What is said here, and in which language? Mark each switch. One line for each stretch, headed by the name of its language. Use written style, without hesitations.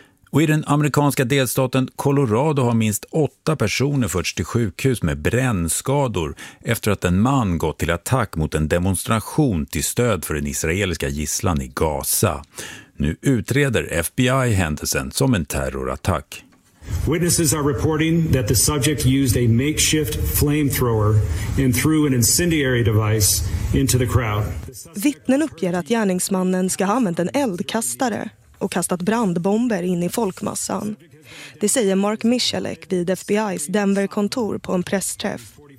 Swedish: Och i den amerikanska delstaten Colorado har minst 8 personer förts till sjukhus med brännskador efter att en man gått till attack mot en demonstration till stöd för den israeliska gisslan i Gaza. Nu utreder FBI händelsen som en terrorattack.
English: Witnesses are reporting that the subject used a makeshift flamethrower and threw an incendiary device into the crowd.
Swedish: Vittnen uppger att gärningsmannen ska ha använt en eldkastare och kastat brandbomber in i folkmassan. Det säger Mark Michalek vid FBI:s Denver-kontor på en pressträff.